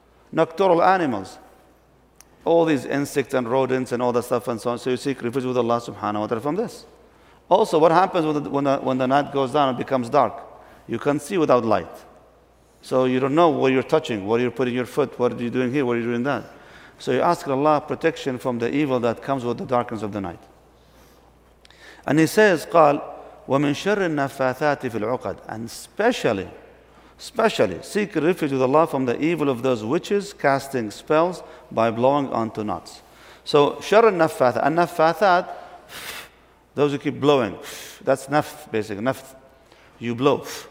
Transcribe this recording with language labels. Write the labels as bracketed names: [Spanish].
[English] Nocturnal animals, all these insects and rodents and all that stuff and so on. So you seek refuge with Allah subhanahu wa ta'ala from this. Also, what happens when the night goes down and becomes dark? You can see without light. So you don't know what you're touching, what you're putting your foot, what are you doing here, what are you doing that. So you ask Allah protection from the evil that comes with the darkness of the night. And he says, [Arabic] قال, وَمِن شَرِّ النَّفَّاثَاتِ فِي الْعُقَدِ. [English] And especially, seek refuge with Allah from the evil of those witches casting spells by blowing onto knots. So [Arabic] شَرِّ النَّفَّاثَاتِ, [English] and النَّفَّاثَاتِ, those who keep blowing, that's نَفْث, basically, نَفْث, you blow.